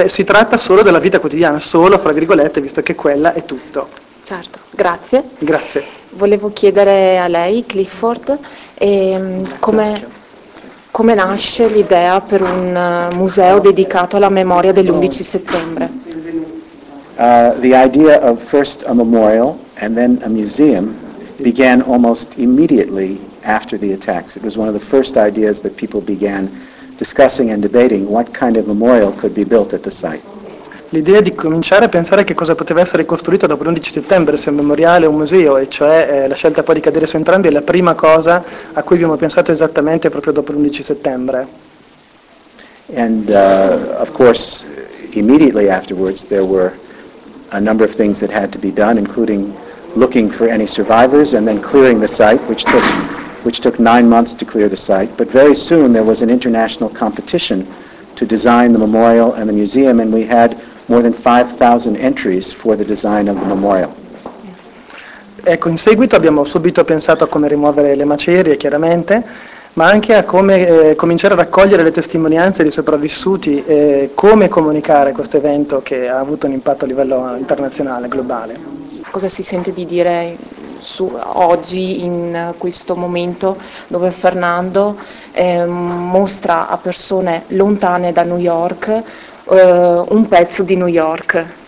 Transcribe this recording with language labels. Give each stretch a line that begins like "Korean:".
Italian: Cioè si tratta solo della vita quotidiana, solo, fra virgolette, visto che quella è tutto. Certo, grazie. Grazie. Volevo chiedere a lei, Clifford, Grazie. come nasce l'idea per un museo dedicato alla memoria dell'11 settembre?
English: The idea of first a memorial and then a museum began almost immediately after the attacks. It was one of the first ideas that people began discussing and debating what kind of memorial could be built at the site.
Italian: L'idea di cominciare a pensare che cosa poteva essere costruito dopo l'11 settembre, se un memoriale o un museo, e cioè la scelta poi di cadere su entrambi, è la prima cosa a cui abbiamo pensato esattamente proprio dopo l'11 settembre.
English: And of course, immediately afterwards, there were a number of things that had to be done, including looking for any survivors and then clearing the site, which took 9 months to clear the site. But very soon there was an international competition to design the memorial and the museum, and we had more than 5,000 entries for the design of the memorial.
Italian: Ecco, in seguito abbiamo subito pensato a come rimuovere le macerie, chiaramente, ma anche a come cominciare a raccogliere le testimonianze dei sopravvissuti e come comunicare questo evento che ha avuto un impatto a livello internazionale, globale. Cosa si sente di dire oggi, in questo momento, dove Fernando mostra a persone lontane da New York un pezzo di New York?